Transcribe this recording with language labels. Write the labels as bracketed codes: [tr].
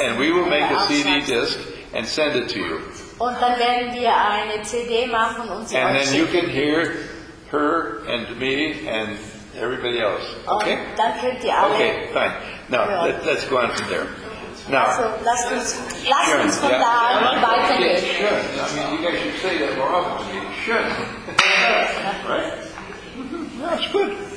[en] And we will make a CD disc and send it to you. [de] Und dann werden wir eine CD machen und sie. [en] And then you can hear her and me and everybody else. Okay? [de] Und dann könnt ihr alle. [en] Okay, fine. Now, let's go on from there. Now, [de] also, lasst uns von da an weitergehen. [en] Yeah, sure. I mean, you guys should say that more often. You should. Right? That's good.